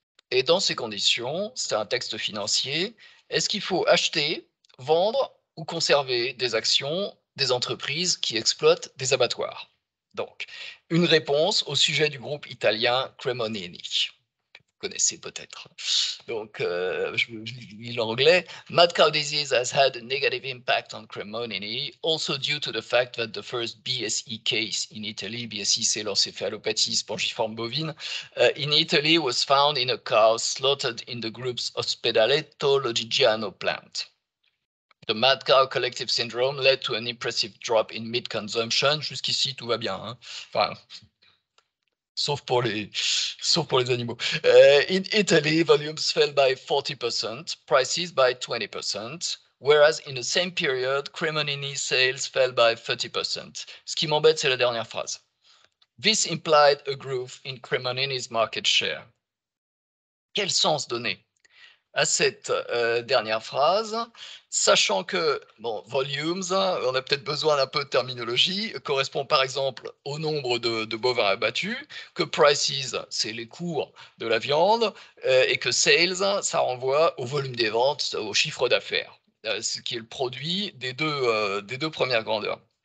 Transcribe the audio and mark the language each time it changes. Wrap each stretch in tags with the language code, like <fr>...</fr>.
<fr>Et dans ces conditions, c'est un texte financier, est-ce qu'il faut acheter, vendre ou conserver des actions des entreprises qui exploitent des abattoirs? Donc, une réponse au sujet du groupe italien Cremonini. Connaissez peut-être. Donc, je lis l'anglais.</fr> <en>Mad cow disease has had a negative impact on Cremonini, also due to the fact that the first BSE case in Italy,</en> <fr>BSE c'est l'encéphalopathie spongiforme bovine,</fr> <en>in Italy was found in a cow slaughtered in the group's Ospedaletto Lodigiano plant. The mad cow collective syndrome led to an impressive drop in meat consumption.</en> <fr>Jusqu'ici, tout va bien. Enfin, sauf pour les animaux.</fr> <en>In Italy, volumes fell by 40%, prices by 20%, whereas in the same period, Cremonini sales fell by 30%.</en> <fr>Ce qui m'embête, c'est la dernière phrase.</fr> <en>This implied a growth in Cremonini's market share.</en> <fr>Quel sens donner à cette dernière phrase, sachant que, bon, volumes, on a peut-être besoin d'un peu de terminologie, correspond par exemple au nombre de bovins abattus, que prices, c'est les cours de la viande, et que sales, ça renvoie au volume des ventes, au chiffre d'affaires, ce qui est le produit des deux premières grandeurs.</fr>